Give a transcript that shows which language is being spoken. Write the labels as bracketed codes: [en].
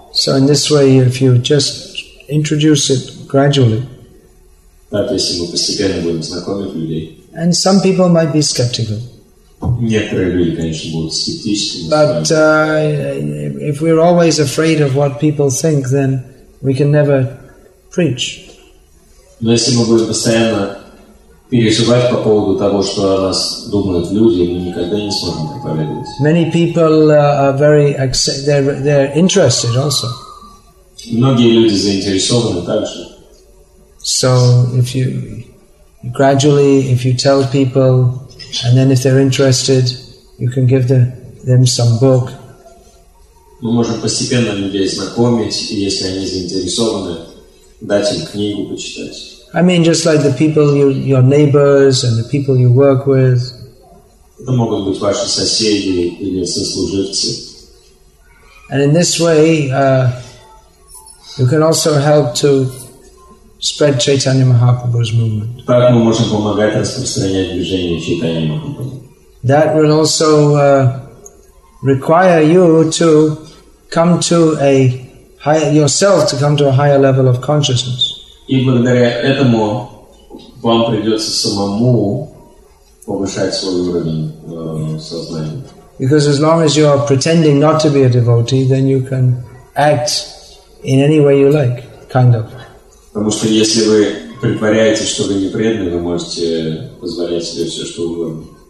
[en] So in this way, if you just introduce it gradually, [ru] так, если мы постепенно будем знакомить людей, [en] and some people might be skeptical. [ru] Некоторые люди, конечно, будут скептически. [en] But if we're always afraid of what people think, then we can never preach. [ru] Но если мы будем постоянно переживать по поводу того, что о нас думают люди, мы никогда не сможем проповедовать. [en] Many people are very they're interested also. [ru] Многие люди заинтересованы также. [en] So if you gradually, if you tell people, and then if they're interested, you can give them some book. [ru] Мы можем постепенно людей знакомить, и если они заинтересованы, дать им книгу почитать. [en] I mean, just like the people, your neighbors and the people you work with. [ru] Это могут быть ваши соседи или сослуживцы. [en] And in this way, you can also help to spread Chaitanya Mahaprabhu's movement. [ru] Так мы можем помогать распространять движение Чайтанья Махапрабху. [en] That will also require you to come to a higher, yourself to come to a higher level of consciousness. [ru] И благодаря этому вам придется самому повышать свой уровень сознания. [en] Because as long as you are pretending not to be a devotee, then you can act in any way you like, kind of. [ru] Потому что если вы притворяетесь, что вы не преданный, вы можете позволять себе все, что угодно.